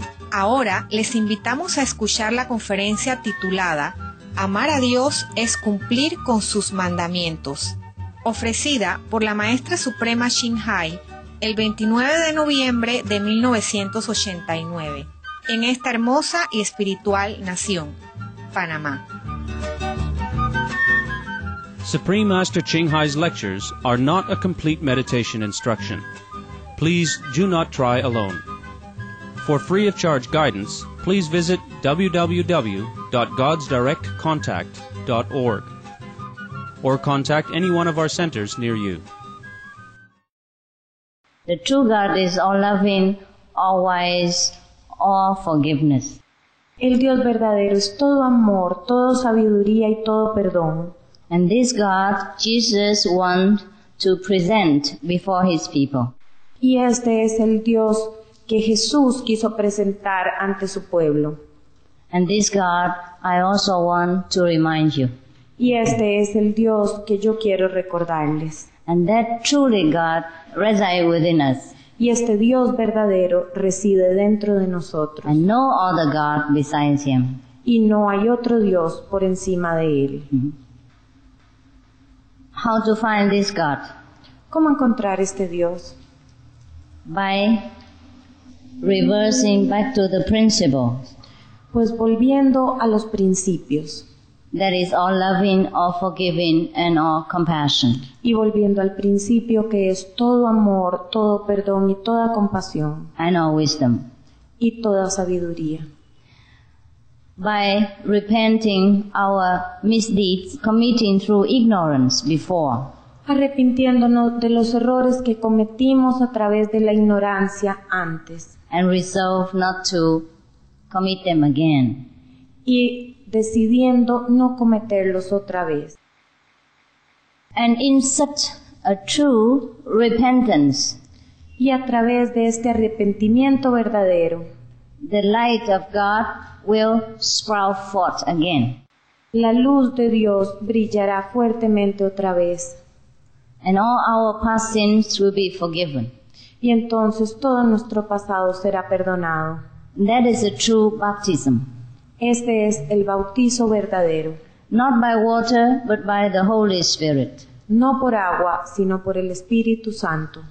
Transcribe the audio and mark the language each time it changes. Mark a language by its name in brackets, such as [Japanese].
[Spanish] Ahora les invitamos a escuchar la conferencia titulada Amar a Dios es cumplir con sus mandamientos, ofrecida por la Maestra Suprema Xinhai el 29 de noviembre de 1989 en esta hermosa y espiritual nación, Panamá. [English] Supreme Master Xinhai's lectures are not a complete meditation instruction. Please do not try alone. For free of charge guidance, please visit www.godsdirectcontact.org or contact any one of our centers near you. The true God is all-loving, all-wise, all-forgiveness. [Spanish] El Dios verdadero es todo amor, todo sabiduría y todo perdón. [English] And this God Jesus wants to present before his people. [Spanish] Y este es el Dios que Jesús quiso presentar ante su pueblo. [English] And this God I also want to remind you. [Spanish] Y este es el Dios que yo quiero recordarles. [English] And that truly God resides within us. [Spanish] Y este Dios verdadero reside dentro de nosotros. [English] And no other God besides him. [Spanish] Y no hay otro Dios por encima de él. [English] How to find this God? [Spanish] ¿Cómo encontrar este Dios? [English] By reversing back to the principles. [Spanish] Pues volviendo a los principios. [English] That is all loving, all forgiving, and all compassion. [Spanish] Y volviendo al principio que es todo amor, todo perdón y toda compasión. [English] And all wisdom. [Spanish] Y toda sabiduría. [English] By repenting our misdeeds, committing through ignorance before. [Spanish] Arrepintiéndonos de los errores que cometimos a través de la ignorancia antes. [English] And resolve not to commit them again. [Spanish] Y decidiendo no cometerlos otra vez. [English] And in such a true repentance. [Spanish] Y a través de este arrepentimiento verdadero. [English] The light of God will sprout forth again. [Spanish] La luz de Dios brillará fuertemente otra vez. [English] And all our past sins will be forgiven. [Spanish] Y entonces todo nuestro pasado será perdonado. [English] That is a true baptism. [Spanish] Este es el bautizo verdadero. [English] not by water, but by the Holy Spirit. [Spanish] No por agua, sino por el Espíritu Santo.